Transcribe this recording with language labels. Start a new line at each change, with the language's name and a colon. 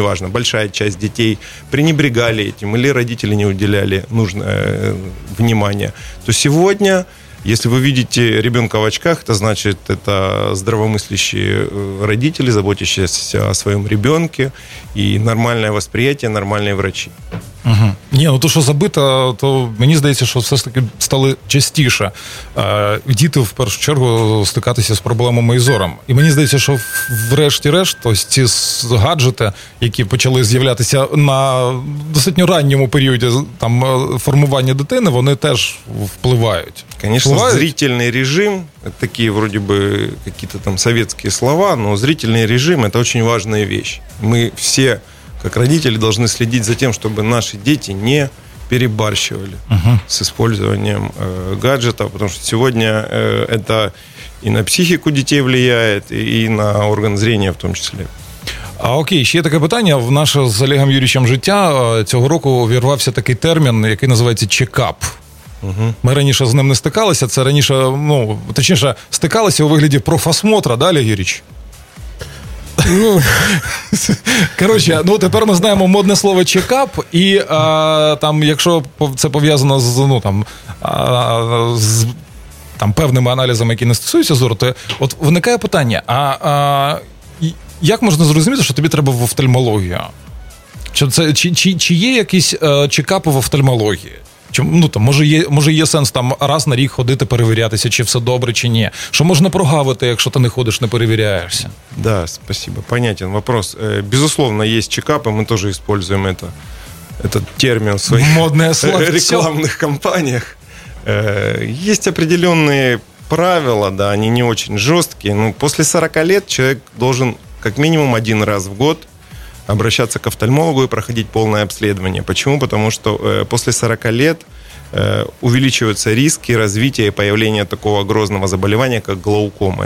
Russian: большая часть детей пренебрегали этим или родители не уделяли нужное внимание, то сегодня, если вы видите ребенка в очках, то значит, это здравомыслящие родители, заботящиеся о своем ребенке, и нормальное восприятие, нормальные врачи.
Ukrainian: Угу. Ні, ну то, що забито, то мені здається, що все ж таки стали частіше діти, в першу чергу, стикатися з проблемами і зором. І мені здається, що врешті-решт, ось ці гаджети, які почали з'являтися на достатньо ранньому періоді там, формування дитини, вони теж впливають. Конечно, зрительний режим, такі, вроді би, якісь там совєтські слова, але зрительний режим – це дуже важлива річ. Ми всі...
Russian: Как родители должны следить за тем, чтобы наши дети не перебарщивали с использованием гаджетов, потому что сегодня это и на психику детей влияет, и на орган зрения в том числе.
Ukrainian: А окей, ще є таке питання. В наше з Олегом Юрійовичем життя цього року увірвався такий термін, який називається чекап. Ми раніше з ним не стикалися, це раніше, ну, точніше, стикалися у вигляді профосмотра, да, Олег Юрійович? Ну, короче, ну тепер ми знаємо модне слово чекап, і там, якщо це пов'язано з, ну, там, з там, певними аналізами, які не стосуються зору, то от виникає питання: а як можна зрозуміти, що тобі треба в офтальмологію? Чи, це, чи є якісь чекапи в офтальмології? Ну, там, може є сенс там раз на рік ходити, перевірятися, чи все добре, чи ні. Що можна прогавити, якщо ти не ходиш, не перевіряєшся?
Russian: Да, спасибо. Понятен вопрос.
Ukrainian: Безусловно, є чекапи, ми теж используємо этот термін в своїх рекламних кампаніях.
Russian: Є определенные правила, да, они не очень жесткие. Ну, после 40 лет человек должен как минимум один раз в год обращаться к офтальмологу и проходить полное обследование. Почему? Потому что после 40 лет увеличиваются риски развития и появления такого грозного заболевания, как глаукома.